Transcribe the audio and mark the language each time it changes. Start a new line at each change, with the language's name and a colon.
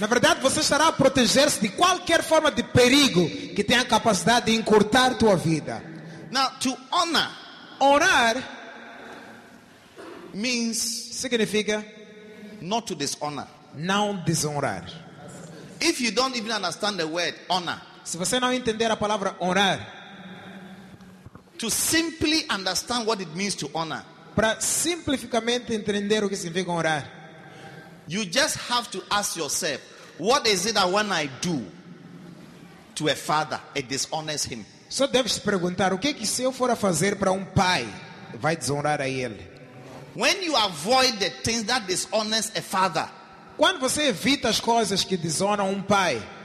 Portuguese: Na verdade, você estará a proteger-se de qualquer forma de perigo que tenha a capacidade de encurtar tua vida.
English: Now, to honor,
Portuguese: honrar
English: means,
Portuguese: significa,
English: not to dishonor.
Portuguese: Não desonrar.
English: If you don't even understand the word honor,
Portuguese: se você não entender a palavra honrar,
English: to simply understand what it means to honor,
Portuguese: para simplificamente entender o que significa honrar,
English: you just have to ask yourself, what is it that when I do to a father, it dishonors him?
Portuguese: Só deve se perguntar o que se eu for a fazer para pai, vai desonrar a ele.
English: When you avoid the things that dishonors a father.
Portuguese: Quando você evita as coisas que desonram pai,